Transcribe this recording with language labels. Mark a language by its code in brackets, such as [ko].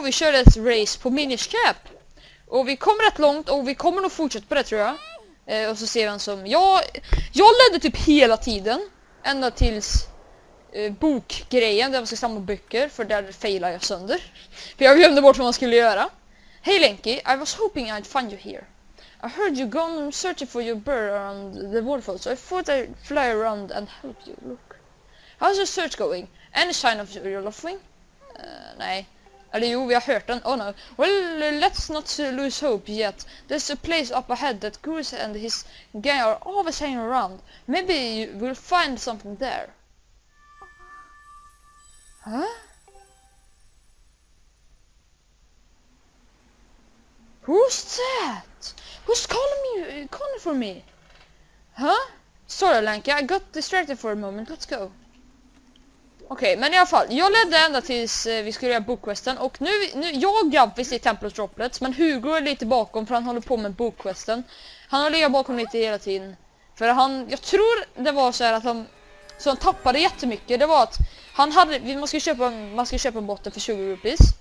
[sv] Vi körde ett race på Minish Cap. Och vi kom rätt långt och vi kommer nog fortsätta på det tror jag. Och så ser vi en som... Jag ledde typ hela tiden. Ända tills bokgrejen där man ska samla böcker. För där failade jag sönder. För jag glömde bort vad man skulle göra. [en] Hey Lenki, I was hoping I'd find you here. I heard you gone searching for your bird around the waterfall. So I thought I'd fly around and help you. Look. How's your search going? Any sign of your love wing? [sv] Nej. Eller jo, vi har hört den. [en] Oh no. Well, let's not lose hope yet. There's a place up ahead that Goose and his gang are always hanging around. Maybe we'll find something there. Huh? Who's that? Who's calling for me? Huh? Sorry, Lanky. I got distracted for a moment. Let's go. [sv] Okej, men i alla fall, jag ledde ända tills vi skulle göra bookquesten och nu jag och Gavis i Templars Droplets, men Hugo är lite bakom för han håller på med bookquesten. Han har legat bakom lite hela tiden. För han, jag tror det var så här att han tappade jättemycket. Det var att han hade, man ska köpa en botten för 20 rupees.